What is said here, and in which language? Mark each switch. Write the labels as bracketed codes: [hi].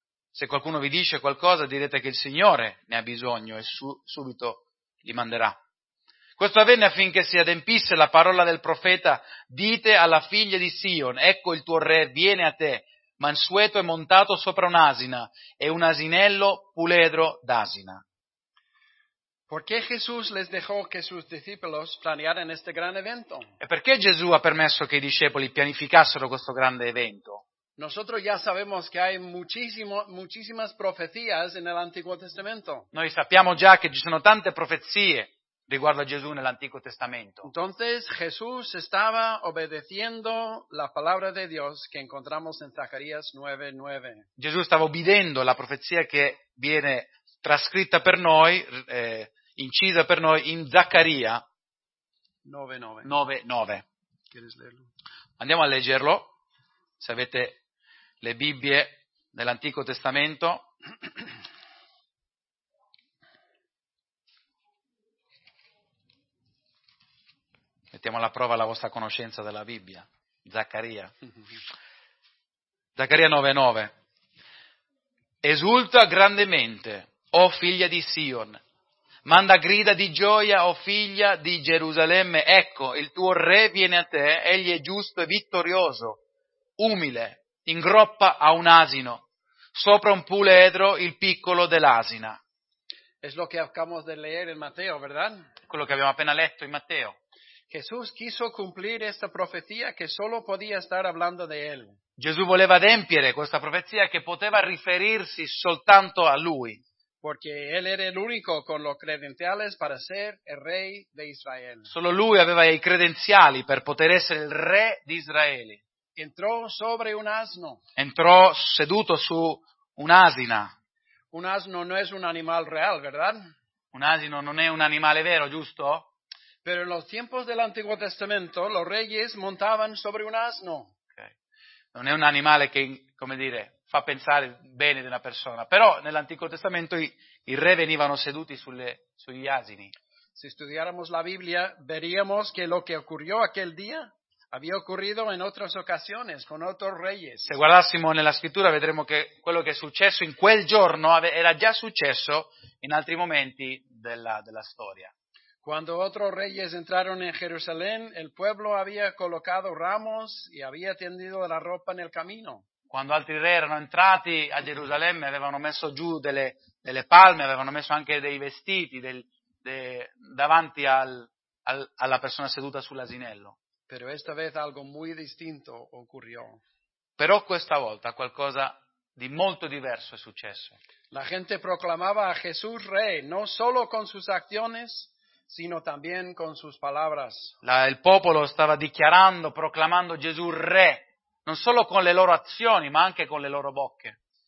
[it] Se qualcuno vi dice qualcosa, direte che il Signore ne ha bisogno e subito li manderà. Questo avvenne affinché si adempisse la parola del profeta: dite alla figlia di Sion, ecco il tuo re viene a te, mansueto e montato sopra un'asina, e un asinello puledro d'asina. [es] ¿Por qué Jesús les dejó que sus discípulos planearan este gran evento? [it] ¿E perché Gesù ha permesso che i discepoli pianificassero questo grande evento? [es] Nosotros ya sabemos que hay muchísimas profecías en el Antiguo Testamento. [it] Noi sappiamo già che ci sono tante profezie riguardo a Gesù nell'Antico Testamento. [es] Entonces Jesús estaba obedeciendo la palabra de Dios que encontramos en Zacarías 9:9. [it] Gesù stava obbedendo la profezia che viene trascritta per noi, incisa per noi in Zaccaria 9:9. [es] ¿Quieres leerlo? [it] Andiamo a leggerlo. Se avete le Bibbie dell'Antico Testamento. Mettiamo alla prova la vostra conoscenza della Bibbia. Zaccaria. Zaccaria 9:9. Esulta grandemente, o figlia di Sion. Manda grida di gioia, o figlia di Gerusalemme. Ecco, il tuo re viene a te, egli è giusto e vittorioso. Umile, in groppa a un asino, sopra un puledro il piccolo dell'asina. [es] Es lo que acabamos de leer en Mateo, ¿verdad? [it] Quello che abbiamo appena letto in Matteo. [es] Jesús quiso cumplir esta profecía que solo podía estar hablando de él. [it] Gesù voleva adempiere questa profezia che poteva riferirsi soltanto a lui. [es] Porque él era el único con los credenciales para ser el rey de Israel. [it] Solo lui aveva i credenziali per poter essere il re di Israele. [es] Entró sobre un asno. [it] Entró seduto su un asina. [es] Un asno no es un animal real, ¿verdad? [it] Un asino non è un animale vero, giusto? [es] Pero en los tiempos del Antiguo Testamento, los reyes montaban sobre un asno. [en] Okay. [it] Non è un animale che, come dire, fa pensare bene di una persona. Però nell'Antico Testamento i re venivano seduti sugli asini. [es] Si estudiáramos la Biblia, veríamos que lo que ocurrió aquel día había ocurrido en otras ocasiones con otros reyes. [it] Se guardassimo nella scrittura vedremo che quello che è successo in quel giorno era già successo in altri momenti della storia. [es] Cuando otros reyes entraron en Jerusalén, el pueblo había colocado ramos y había tendido la ropa en el camino. [it] Quando altri re erano entrati a Gerusalemme avevano messo giù delle palme, avevano messo anche dei vestiti davanti alla persona seduta sull'asinello. [es] Pero esta vez algo muy distinto ocurrió. [it] Però questa volta qualcosa di molto diverso è successo. [es] La gente proclamaba a Jesús rey no solo con sus acciones, sino también con sus palabras. [it] Il popolo stava dichiarando, proclamando Gesù re, non solo con le loro azioni, ma anche con le loro bocche.